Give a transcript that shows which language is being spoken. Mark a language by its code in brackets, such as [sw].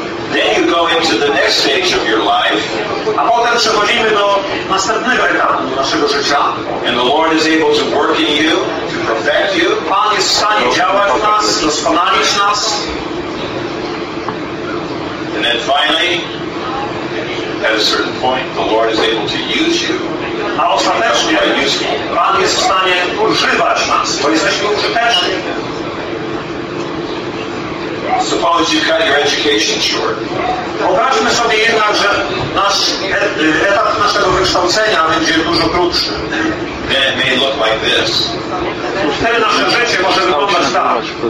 [en] Then you go into the next stage of your life. [pl] A potem przechodzimy do następnego etapu naszego życia. [en] And the Lord is able to work in you, to perfect you. [pl] Pan jest w stanie działać w nas, doskonalić nas. [en] And then finally, at a certain point, the Lord is able to use you. [pl] A ostatecznie Pan jest w stanie używać nas, bo jesteśmy użyteczni. [en] Suppose you cut your education short. [pl] Wyobraźmy sobie jednak, że nasz etap naszego wykształcenia będzie dużo krótszy. [en] Then it may look like this. [pl] Wtedy nasze życie może wyglądać tak.